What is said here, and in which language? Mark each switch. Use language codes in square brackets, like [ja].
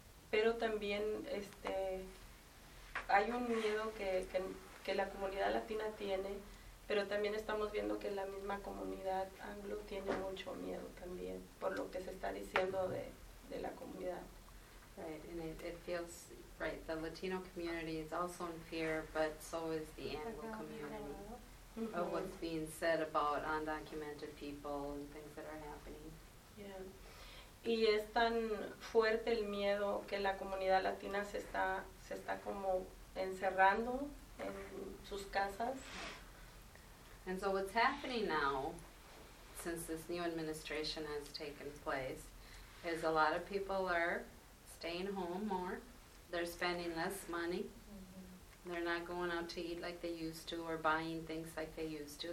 [es] Pero también hay un miedo que la comunidad latina tiene, pero también estamos viendo que la misma comunidad anglo tiene mucho miedo también por lo que se está diciendo de la comunidad. [en] Right, and it feels right. The Latino community is also in fear, but so is the Anglo community of what's being said about undocumented people and things that are happening. [es] Yeah, y es tan fuerte el miedo que la comunidad latina se está como encerrando en sus casas. [en] And so, what's happening now, since this new administration has taken place, is a lot of people are staying home more. They're spending less money. Mm-hmm. They're not going out to eat like they used to or buying things like they used to.